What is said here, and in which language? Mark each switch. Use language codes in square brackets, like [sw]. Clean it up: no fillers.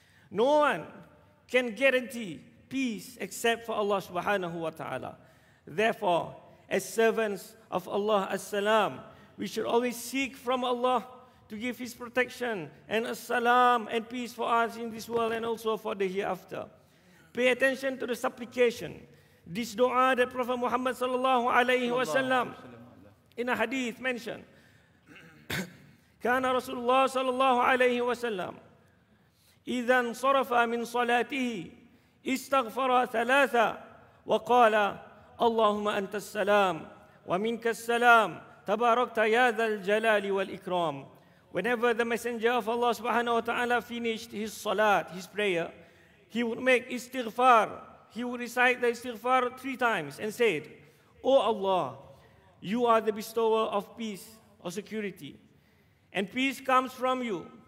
[en] No one can guarantee peace except for Allah subhanahu wa ta'ala. Therefore, as servants of Allah As-Salam, we should always seek from Allah to give His protection and As-Salam and peace for us in this world and also for the hereafter. Pay attention to the supplication. This dua that Prophet Muhammad sallallahu alayhi wa sallam in a hadith mentioned, [ar] كان رسول الله صلى الله عليه وسلم إذا انصرف من صلاته استغفر ثلاثة وقال اللهم أنت السلام ومنك السلام تباركت يا ذا الجلال والإكرام. [en] Whenever the messenger of Allah subhanahu wa ta'ala finished his salat, his prayer, he would make istighfar. He would recite the istighfar three times and said, O Allah, you are the bestower of peace or security, and peace comes from you.